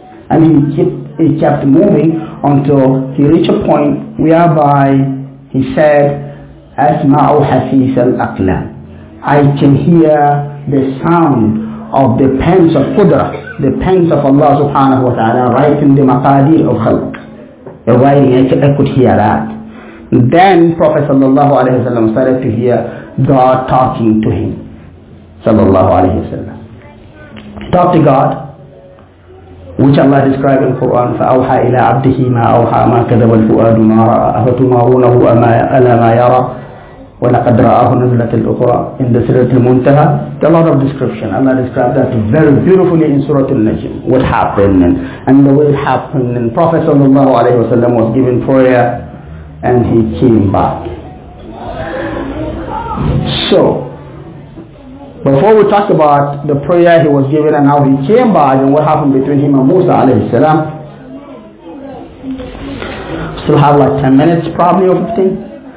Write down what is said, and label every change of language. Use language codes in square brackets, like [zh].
[en] And he kept moving until he reached a point whereby he said, [ar] أَسْمَعُ حَسِيسَ الْأَقْلَامِ, [en] I can hear the sound of the pens of Qudra, the pens of Allah subhanahu wa ta'ala writing the maqadir of khalq. The writing, I could hear that. Then Prophet sallallahu alayhi wa sallam started to hear God talking to him. Sallallahu alayhi wa sallam. Talk to God, which Allah described in Quran, [ar] فَأَوْحَى إِلَىٰ عَبْدِهِ مَا أَوْحَى مَا كَذَبَ الْفُؤَادُ مَا رَأَى أَفَتُمَارُونَهُ أَلَىٰ مَا يَرَى وَلَقَدْ رَآهُ نَزْلَةِ الْأُخْرَىٰ [en] in the Surah Al-Muntaha. A lot of description. Allah described that very beautifully in Surah Al-Najm. What happened and the way it happened. And Prophet sallallahu alayhi wa sallam was given prayer and he came back. So, before we talk about the prayer he was given and how he came back and what happened between him and Musa alayhi salam, still have like 10 minutes probably or 15.